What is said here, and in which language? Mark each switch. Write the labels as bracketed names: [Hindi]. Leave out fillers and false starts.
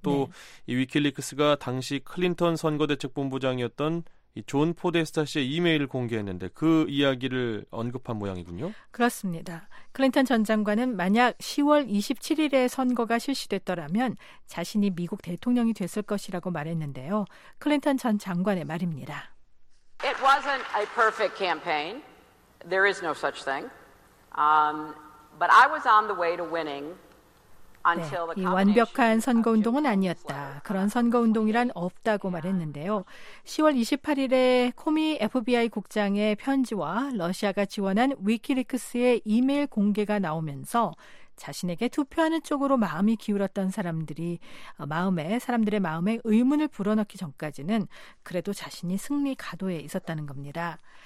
[Korean] 또 네. 이 위키리크스가 당시 클린턴 선거대책본부장이었던 존 포데스타 씨의 이메일을 공개했는데 그 이야기를 언급한 모양이군요. 그렇습니다. 클린턴 전 장관은 만약 10월 27일에 선거가 실시됐더라면 자신이 미국 대통령이 됐을 것이라고 말했는데요. 클린턴 전 장관의 말입니다. [English] It wasn't a perfect campaign. There is no such thing. But I was on the way to winning. [Korean] 네, 이 완벽한 선거운동은 아니었다. 그런 선거운동이란 없다고 말했는데요. 10월 28일에 코미 FBI 국장의 편지와 러시아가 지원한 위키리크스의 이메일 공개가 나오면서 자신에게 투표하는 쪽으로 마음이 기울었던 사람들이 사람들의 마음에 의문을 불어넣기 전까지는 그래도 자신이 승리 가도에 있었다는 겁니다.